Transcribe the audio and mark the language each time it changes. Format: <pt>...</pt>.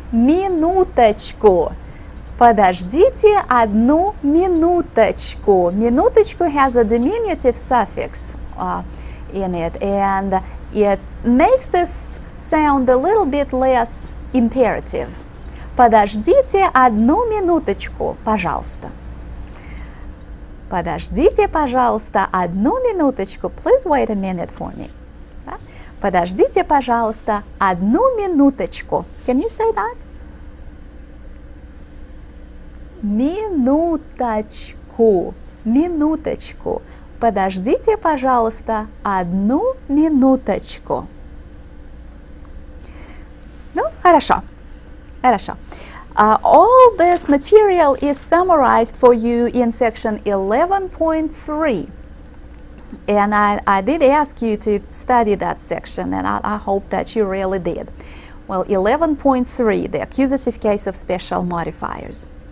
<ru>Минуточку. Подождите одну минуточку. Минуточку</ru> <en>has a diminutive suffix. in it, and it makes this sound a little bit less imperative.</en> <ru>Подождите одну минуточку, пожалуйста. Подождите, пожалуйста, одну минуточку.</ru> <en>Please wait a minute for me.</en> <ru>Подождите, пожалуйста, одну минуточку.</ru> <en>Can you say that?</en> <ru>Минуточку, минуточку. Подождите, пожалуйста, одну минуточку. Ну, хорошо, хорошо.</ru> <en>All this material is summarized for you in section 11.3. And I did ask you to study that section, and I hope that you really did. Well, 11.3, the accusative case of special modifiers.</en>